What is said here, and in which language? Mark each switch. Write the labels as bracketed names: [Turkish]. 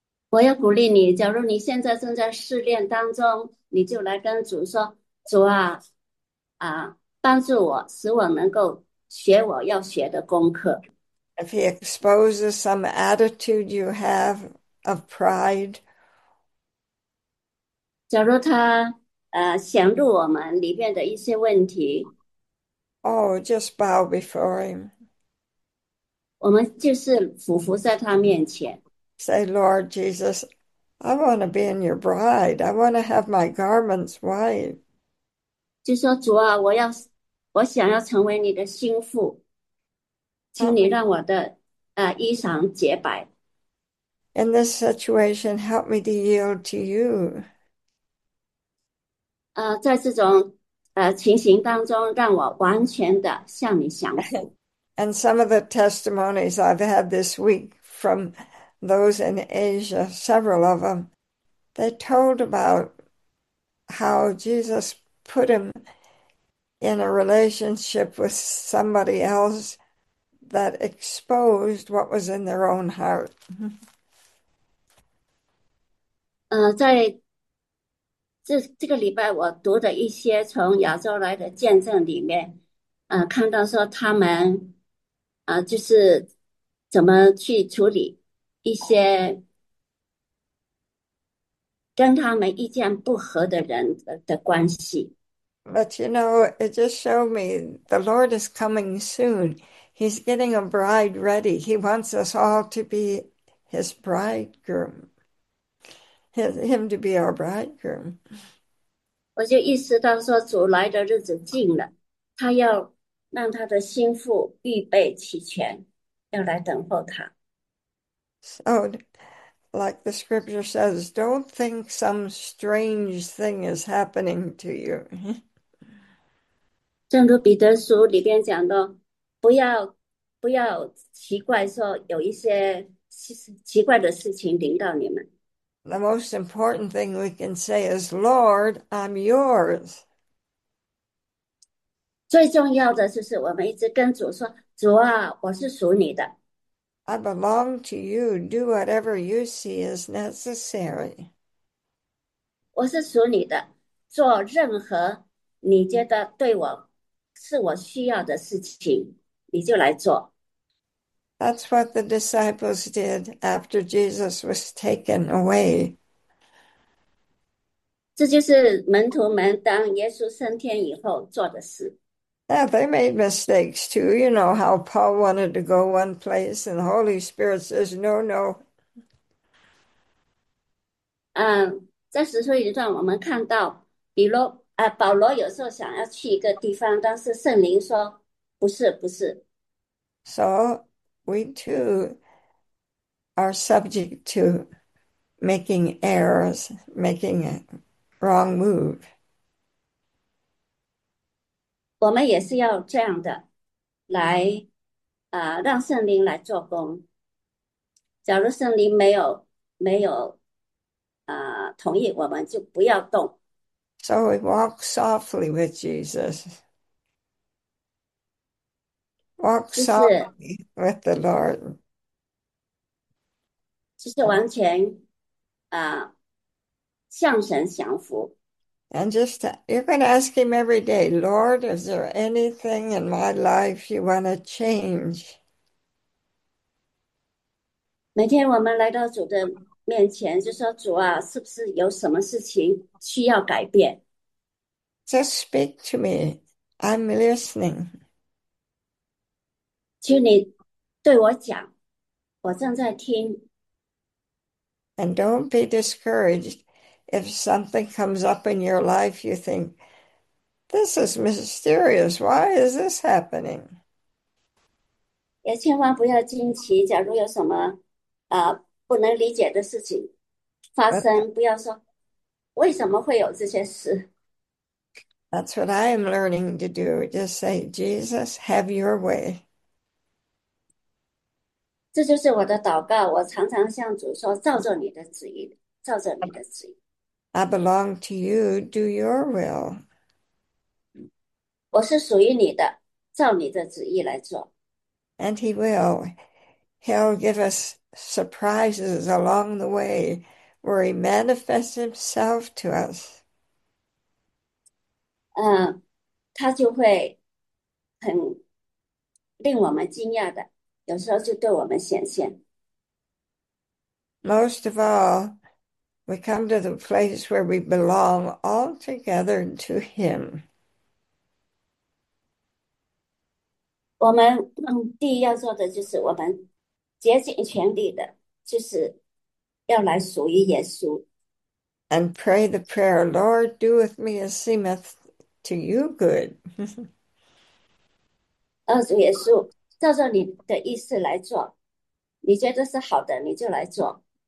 [Chinese] 我要鼓励你，假如你现在正在试炼当中，你就来跟主说：“主啊，帮助我，使我能够学我要学的功课。 [English] If he exposes some attitude you have of pride, [Chinese] ”假如他显露我们里面的一些问题， [English] Oh, just bow before him. [Chinese] 我们就是匍匐在他面前。 [English] Say, Lord Jesus, I want to be in your bride. I want to have my garments white. [Chinese] 就说主啊，我想要成为你的心腹，请你让我的衣裳洁白。 [English] In this situation, help me to yield to you. [Chinese] 在这种情形当中，让我完全的向你降服。 [English] And some of the testimonies I've had this week from those in Asia, several of them, they told about how Jesus put him in a relationship with somebody else that exposed what was in their own heart. [Chinese] 在这个礼拜，我读的一些从亚洲来的见证里面，看到说他们，就是怎么去处理一些跟他们意见不合的人的关系。 [English] But it just showed me the Lord is coming soon. He's getting a bride ready. He wants us all to be his bridegroom, him to be our bridegroom. [Chinese] 我就意识到说，主来的日子近了，他要让他的心腹预备齐全，要来等候他。 [English] So, like the scripture says, don't think some strange thing is happening to you. [Chinese] 正如彼得书里边讲的，不要奇怪说有一些奇怪的事情临到你们。 [English] The most important thing we can say is, Lord, I'm yours. [Chinese] 最重要的就是我们一直跟主说：“主啊，我是属你的。 [English] I belong to you. Do whatever you see is necessary. [Chinese] 我是属你的，做任何你觉得对我是我需要的事情，你就来做。” [English] That's what the disciples did after Jesus was taken away. [Chinese] 这就是门徒们当耶稣升天以后做的事。 [English] Yeah, they made mistakes too. You know how Paul wanted to go one place, and the Holy Spirit says, no. [Chinese] 在使徒行传我们看到，比如保罗有时候想要去一个地方，但是圣灵说不是，不是。 [English] So we too are subject to making errors, making a wrong move. [Chinese] 我们也是要这样的，来，让圣灵来做工。假如圣灵没有，同意，我们就不要动。 [English] So we walk softly with Jesus. Walk softly with the Lord. [Chinese] 就是完全，向神降服。 [English] And just, you can ask him every day, Lord, is there anything in my life you want to change? [Chinese] 每天我们来到主的面前，就说：“主啊，是不是有什么事情需要改变 [English] Just speak to me. I'm listening. [Chinese] ？” 请你对我讲，我正在听。 [English] And don't be discouraged if something comes up in your life you think, this is mysterious. Why is this happening? [Chinese] 也千万不要惊奇，假如有什么。不能理解的事情发生，不要说为什么会有这些事。 [English] That's what I am learning to do. Just say, Jesus, have your way. [Chinese] 这就是我的祷告，我常常向主说：“照着你的旨意，照着你的旨 [English] I belong to you. Do your will. [Chinese] 我是属于你的，照你的旨意来做。 [English] And he will. He'll give us surprises along the way where he manifests himself to us. [Chinese] 他就会很令我们惊讶的，有时候就对我们显现。 [English] Most of all, we come to the place where we belong all together to Him. [Chinese] 我们第一要做的就是，我们竭尽全力的，就是要来属于耶稣。 [English] And pray the prayer, Lord, do with me as seemeth to you good. [Chinese] 主耶稣，照着你的意思来做，你觉得是好的，你就来做。